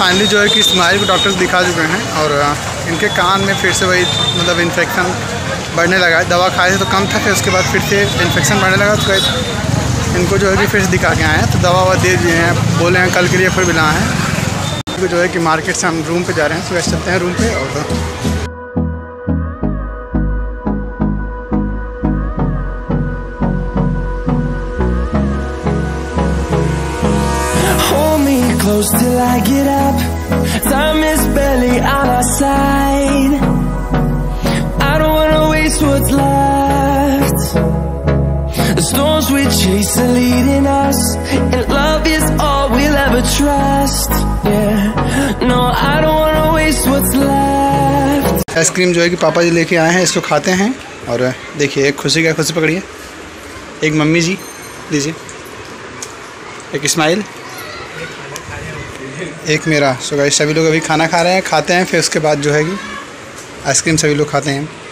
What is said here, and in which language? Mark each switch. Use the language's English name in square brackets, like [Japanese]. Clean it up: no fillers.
[Hindi] जो है कि इस्माइल को डॉक्टर्स दिखा चुके हैं और इनके कान में फिर से वही मतलब इन्फेक्शन बढ़ने लगा है। दवा खाए थे तो कम था, फिर उसके बाद फिर से इन्फेक्शन बढ़ने लगा, तो कहीं इनको जो है कि फिर से दिखा के आए हैं, तो दवा ववा दे दिए हैं, बोले हैं कल के लिए फिर मिला है। इनको जो है कि मार्केट से हम रूम पर जा रहे हैं, सुबह चलते हैं रूम पर। [English] और close till I get up, time is barely on our side, I don't wanna waste what's left, the storms we chase are leading us, and love is all we'll ever trust, yeah, no, I don't wanna waste what's left। [Hindi] Ice cream जो है कि पापा जी लेके आए हैं, इसको खाते हैं। और देखिए एक खुशी का खुशी पकड़िए, एक मम्मी जी लीजिए, एक स्माइल, एक मेरा। सो गाइस सभी लोग अभी खाना खा रहे हैं, खाते हैं, फिर उसके बाद जो है कि आइसक्रीम सभी लोग खाते हैं।